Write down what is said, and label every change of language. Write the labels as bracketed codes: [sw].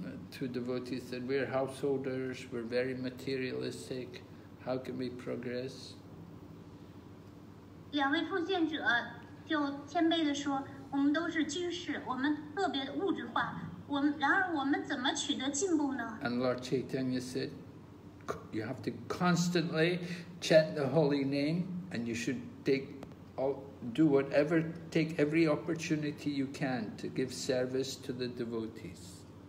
[en] Two devotees said, we're householders, we're very materialistic, how can we progress? [zh] 两位奉献者就谦卑地说,我们都是居士,我们特别的物质化,然而我们怎么取得进步呢? [en] And Lord Chaitanya said, you have to constantly chant the holy name and you should take all, do whatever, take every opportunity you can to give service to the devotees.